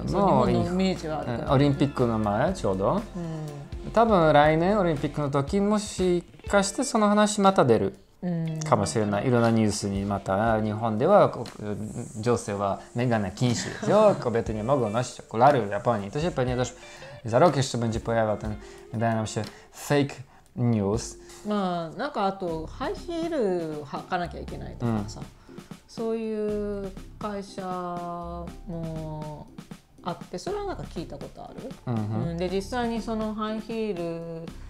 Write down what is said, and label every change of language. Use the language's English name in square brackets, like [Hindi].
[Japanese] いい、日本のイメージはあるから、ね、オリンピックの前ちょうど、多分来年オリンピックの時もしかしてその話また出るかもしれない。いろんなニュースにまた日本では女性はメガネ禁止ですよ、コベテに [Polish] mogą nosić okulary w Japonii. To się pewnie też za rok jeszcze będzie pojawiał ten, wydaje nam się, fake news. [Japanese] まあなんかあとハイヒール履かなきゃいけないとかさ、そういう会社もあって、それはなんか聞いたことある。で実際にそのハイヒール